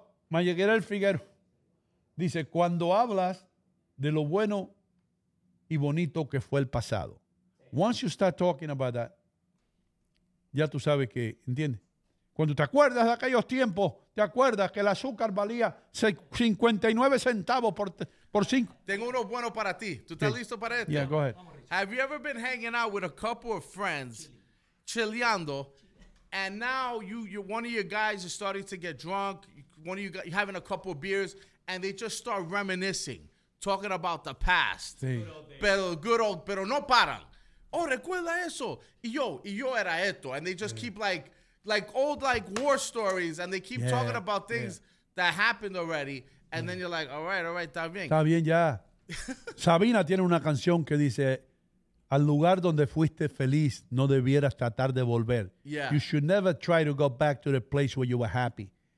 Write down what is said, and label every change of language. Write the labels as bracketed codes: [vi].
[es] Mariyerel Figueroa dice, cuando hablas de lo bueno y bonito que fue el pasado. [en] Once you start talking about that, [es] ya tú sabes que, ¿entiendes? Cuando te acuerdas de aquellos tiempos, te acuerdas que el azúcar valía 59 centavos por 5. Tengo uno bueno para ti. ¿Tú estás listo para esto? [en] Yeah, go ahead. Have you ever been hanging out with a couple of friends chileando and now one of your guys is starting to get drunk, one of you guys having a couple of beers and they just start reminiscing, talking about the past. [es] Sí. Pero no paran. Oh, recuerda eso. Y yo era esto. [en] And they just keep like old war stories and they keep talking about things that happened already. And then you're like, all right, [es] está bien. Está bien ya. Sabina tiene una canción que dice, al lugar donde fuiste feliz, no debieras tratar de volver. [en] Yeah. You should never try to go back to the place where you were happy.